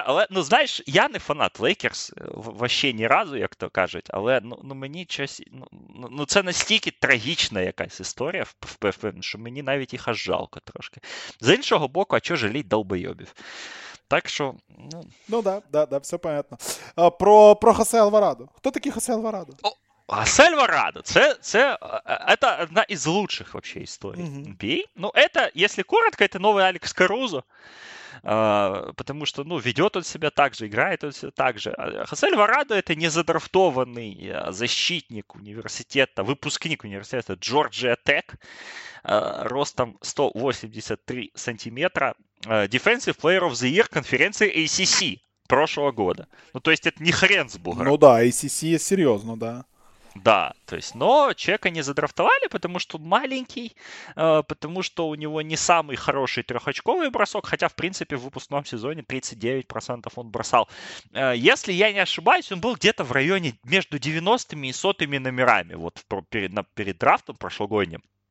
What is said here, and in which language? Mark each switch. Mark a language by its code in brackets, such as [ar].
[uk] Знаєш, я не фанат Лейкерс, вообще ні разу, як то кажуть, але мені щось, це не стільки трагічна якась історія, що мені навіть їх аж жалко трошки. З іншого боку, а чого жаліть долбойобів? Так що... [ru] Ну, все понятно. Про Хосе Альварадо. [uk] Хто такий Хосе Альварадо? Хосе Альварадо, це одна із лучших вообще історій. Угу. Бій. [ru] Ну, это, если коротко, это новый Алекс Карузо. Потому что, ведет он себя так же, играет он себя так же. Хосе Альварадо — это незадрафтованный защитник университета, выпускник университета Джорджия Тек, ростом 183 сантиметра, Defensive Player of the Year конференции ACC прошлого года. Ну, то есть это не хрен с бугром. Ну да, ACC серьезно, да. Да, то есть, но человека не задрафтовали, потому что маленький, потому что у него не самый хороший трехочковый бросок, хотя, в принципе, в выпускном сезоне 39% он бросал. Если я не ошибаюсь, он был где-то в районе между 90-ми и 100-ми номерами, перед драфтом прошлогодним.